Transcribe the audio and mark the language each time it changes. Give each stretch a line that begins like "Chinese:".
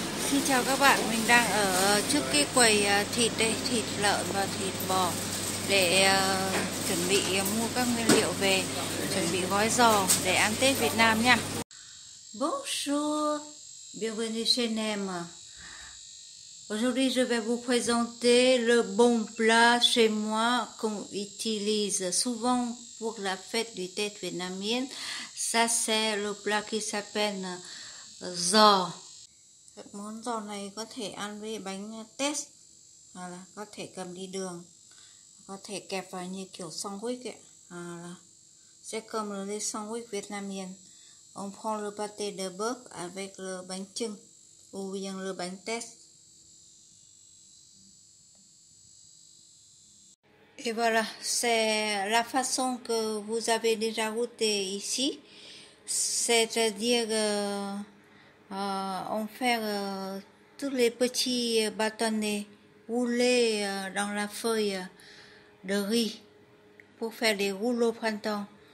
Vietnamese: Xin chào các bạn, mình đang ở trước cái quầy thịt đây, thịt lợn và thịt bò để chuẩn bị mua các nguyên liệu về, chuẩn bị gói giò để ăn Tết Việt Nam nha.
French: Bonjour, bienvenue chez Nem. Aujourd'hui je vais vous présenter le bon plat chez moi qu'on utilise souvent pour la fête du Tết vietnamien. Ça c'est le plat qui s'appelle giò.
Vietnamese: Món giò này có thể ăn với bánh Tết, hoặc là có thể cầm đi đường, có thể kẹp vào như kiểu sandwich ấy, hoặc là sẽ cầm lên
French: sandwich vietnamien. On prend le pâté de bœuf avec le bánh chưng ou bien le bánh Tết. Et voilà, c'est la façon que vous avez déjà goûté ici, c'est-à-dire on fait tous les petits bâtonnets roulés dans la feuille de riz pour faire des rouleaux printemps.